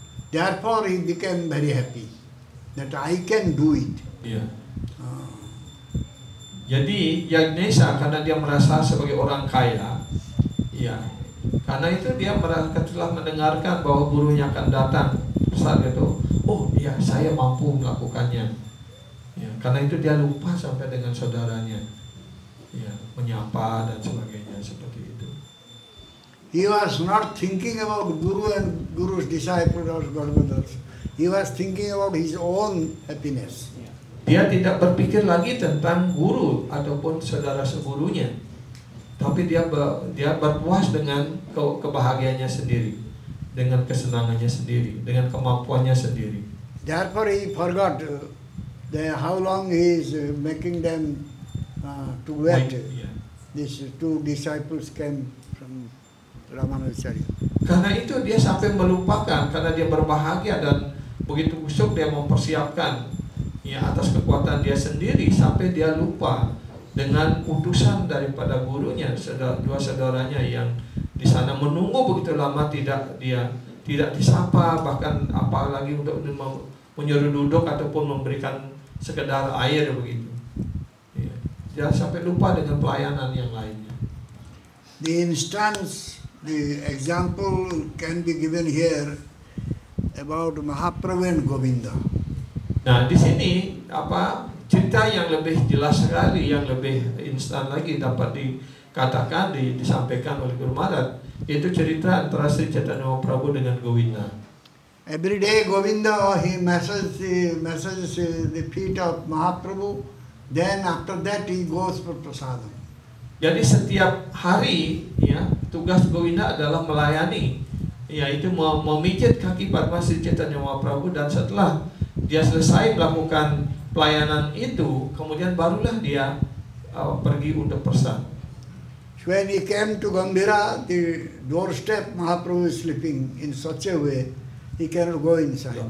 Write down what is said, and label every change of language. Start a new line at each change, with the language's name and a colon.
English: Therefore he became very happy that I can do it.
Indonesian: Jadi Yagnesa, karena dia merasa sebagai orang kaya, ya, karena itu dia merasa telah mendengarkan bahwa gurunya akan datang saat itu. Oh ya, saya mampu melakukannya. Ya, karena itu dia lupa sampai dengan saudaranya, ya, menyapa dan sebagainya seperti itu.
English: He was not thinking about guru and guru's disciples or godmothers. He was thinking about his own happiness.
Indonesian: Dia tidak berpikir lagi tentang guru ataupun saudara segurunya, tapi dia berpuas dengan kebahagiaannya sendiri, dengan kesenangannya sendiri, dengan kemampuannya sendiri.
English: Therefore he forgot how long he is making them to wait. These two disciples came from Ramanuja Acharya.
Indonesian: Karena itu dia sampai melupakan, karena dia berbahagia dan begitu usuk dia mempersiapkan, ya, atas kekuatan dia sendiri, sampai dia lupa dengan utusan daripada gurunya, dua saudaranya yang di sana menunggu begitu lama, tidak disapa, bahkan apalagi untuk menyuruh duduk ataupun memberikan sekedar air begitu. Ya, dia sampai lupa dengan pelayanan yang lainnya.
English: The instance, the example can be given here about Mahaprabhu and Govinda.
Indonesian: Nah, di sini apa cerita yang lebih jelas sekali, yang lebih instan lagi dapat dikatakan, disampaikan oleh Guru Marat, itu cerita antara Sri Chaitanya Prabhu dengan Govinda.
English: Every day Govinda he massages the feet of Mahaprabhu, then after that he goes for prasadam.
Indonesian: Jadi setiap hari, ya, tugas Govinda adalah melayani, yaitu memijit kaki Padma Sri Chaitanya Prabhu, dan setelah dia selesai melakukan pelayanan itu, kemudian barulah dia pergi untuk prasad.
English: When he came to Gambira, the doorstep Mahaprabhu is sleeping in such a way he cannot go inside.